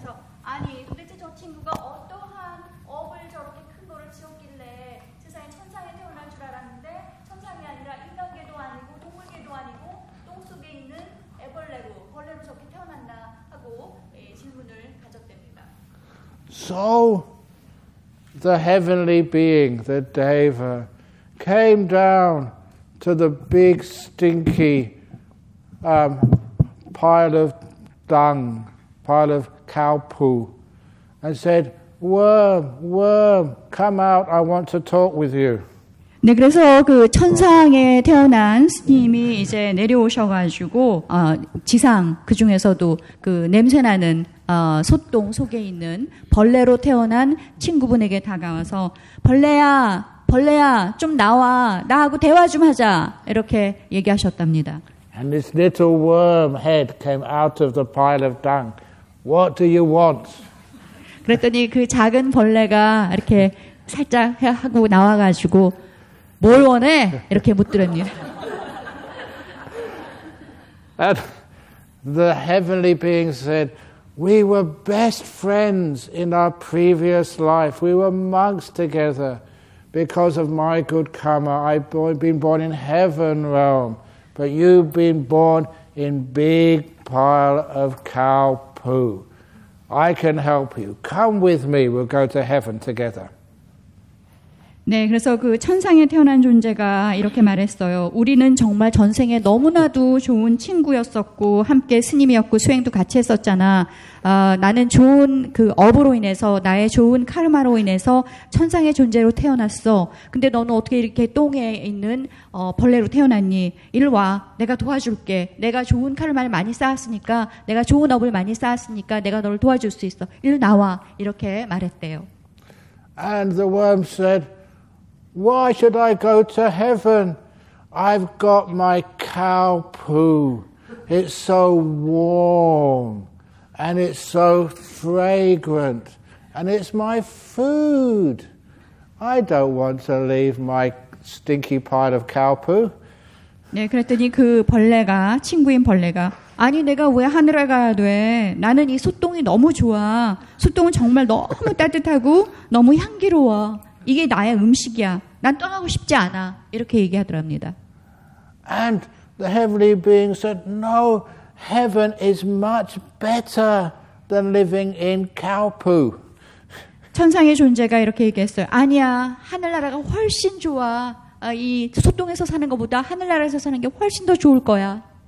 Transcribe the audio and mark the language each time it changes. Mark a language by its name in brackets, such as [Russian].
[Korean] 그래서 아니 도대체 저 친구가 어떠한 업을 저렇게 큰 거를 지었길래 세상에 천상에 태어날 줄 알았는데 천상이 아니라 인간계도 아니고 동물계도 아니고 똥 속에 있는 애벌레로 벌레로 저렇게 태어났나 하고 질문을 가졌답니다. [English] So the heavenly being, the Deva, came down to the big stinky pile of dung, pile of cow poo, and said, "Worm, worm, come out! I want to talk with you." [Korean] 네, 그래서 그 천상에 태어난 스님이 이제 내려오셔가지고 지상 그 중에서도 그 냄새나는 소똥 속에 있는 벌레로 태어난 친구분에게 다가와서 벌레야, 벌레야, 좀 나와, 나하고 대화 좀 하자 이렇게 얘기하셨답니다. [English] And this little worm head came out of the pile of dung. What do you want? [Korean] 그랬더니 그 작은 벌레가 이렇게 살짝 하고 나와가지고 뭘 원해? 이렇게 묻더랍니다. [English] And the heavenly being said, "We were best friends in our previous life. We were monks together. Because of my good karma, I've been born in heaven realm. But you've been born in big pile of cow poo. I can help you. Come with me. We'll go to heaven together." [Korean] 네, 그래서 그 천상에 태어난 존재가 이렇게 말했어요. 우리는 정말 전생에 너무나도 좋은 친구였었고 함께 스님이었고 수행도 같이 했었잖아. 나는 좋은 그 업으로 인해서 나의 좋은 카르마로 인해서 천상의 존재로 태어났어. 근데 너는 어떻게 이렇게 똥에 있는 벌레로 태어났니? 일로 와. 내가 도와줄게. 내가 좋은 카르마를 많이 쌓았으니까 내가 좋은 업을 많이 쌓았으니까 내가 너를 도와줄 수 있어. 일로 나와. 이렇게 말했대요. [English] And the worm said, "Why should I go to heaven? I've got my cow poo. It's so warm, and it's so fragrant, and it's my food. I don't want to leave my stinky pile of cow poo." [Korean] 네, 그랬더니 그 벌레가, 친구인 벌레가, 아니 내가 왜 하늘에 가야 돼? 나는 이 소똥이 너무 좋아. 소똥은 정말 너무 따뜻하고 너무 향기로워. 이게 나의 음식이야. 난 떠나고 싶지 않아. 이렇게 얘기하더랍니다. [English] And the heavenly being said, "No, heaven is much better than living in cow poo." [Korean] 천상의 존재가 이렇게 얘기했어요. 아니야, 하늘나라가 훨씬 좋아. 이 소똥에서 사는 것보다 하늘나라에서 사는 게 훨씬 더 좋을 거야.